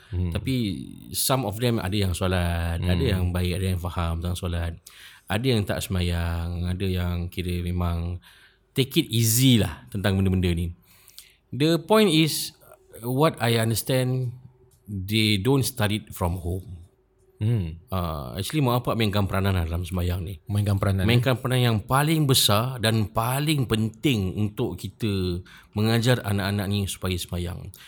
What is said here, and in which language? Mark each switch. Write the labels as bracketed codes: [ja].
[ms] Tapi [en] some of them [ms] ada yang solat, ada yang baik, ada yang faham tentang solat, ada yang tak semayang, ada yang kira memang [en] take it easy [ms] lah tentang benda-benda ni. [en] The point is, what I understand, they don't study from home. [ms] Actually, mak bapak mainkan peranan dalam sembahyang ni. Mainkan peranan yang paling besar dan paling penting untuk kita mengajar anak-anak ni supaya sembahyang.